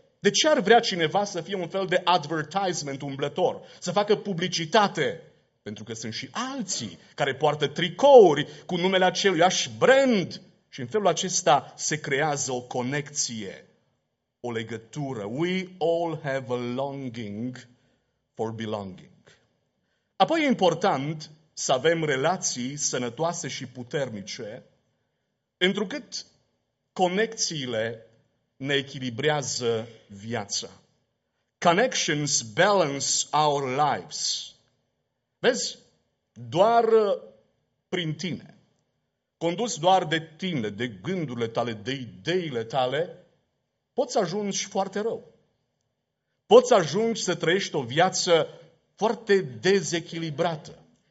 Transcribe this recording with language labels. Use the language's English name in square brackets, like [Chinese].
[Romanian] De ce ar vrea cineva să fie un fel de advertisement umblător? Să facă publicitate? Pentru că sunt și alții care poartă tricouri cu numele aceluiași brand. Și în felul acesta se creează o conexie, o legătură. [English] We all have a longing for belonging. [Romanian] Apoi e important să avem relații sănătoase și puternice, întrucât conexiile ne echilibrează viața. [English] Connections balance our lives. [Romanian] Vezi, doar prin tine, condus doar de tine, de gândurile tale, de ideile tale, poți ajungi foarte rău. Poți ajungi să trăiești o viață foarte dezechilibrată.